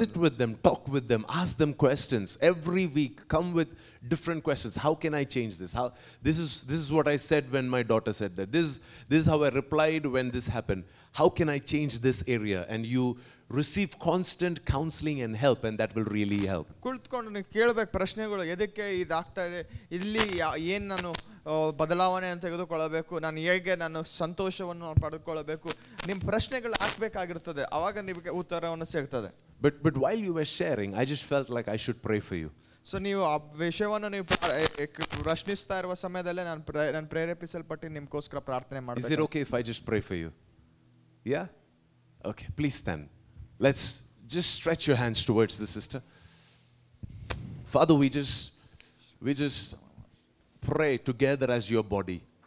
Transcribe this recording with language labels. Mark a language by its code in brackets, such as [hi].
[en] Sit with them, talk with them, ask them questions every week. Come with different questions. How can I change this? How this is what I said when my daughter said that. This is how I replied when this happened. How can I change this area? And you receive constant counseling and help, and that will really help. [kn] ಕುಳಿತುಕೊಂಡು ನೀವು ಕೇಳಬೇಕು ಪ್ರಶ್ನೆಗಳು, ಎದಕ್ಕೆ ಇದಾಗ್ತಾ ಇದೆ, ಇಲ್ಲಿ ಏನು ನಾನು ಬದಲಾವಣೆ ಅಂತ ತೆಗೆದುಕೊಳ್ಳಬೇಕು, ನಾನು ಹೇಗೆ ನಾನು ಸಂತೋಷವನ್ನು ಪಡೆದುಕೊಳ್ಳಬೇಕು, ನಿಮ್ಮ ಪ್ರಶ್ನೆಗಳು ಹಾಕಬೇಕಾಗಿರ್ತದೆ, ಆವಾಗ ನಿಮಗೆ ಉತ್ತರವನ್ನು ಸಿಗ್ತದೆ. [en] But while you were sharing, I just felt like I should pray for you. [kn] So ನೀವು ಆ ವಿಷಯವನ್ನು ನೀವು ಪ್ರಶ್ನಿಸ್ತಾ ಇರುವ ಸಮಯದಲ್ಲೇ ನಾನು ಪ್ರೇರೇಪಿಸಲ್ಪಟ್ಟು ನಿಮಗೋಸ್ಕರ ಪ್ರಾರ್ಥನೆ ಮಾಡ್ತೀನಿ. [en] Is it okay if I just pray for you? Yeah? Okay, please stand. Let's just stretch your hands towards the sister. Father, we just pray together as your body.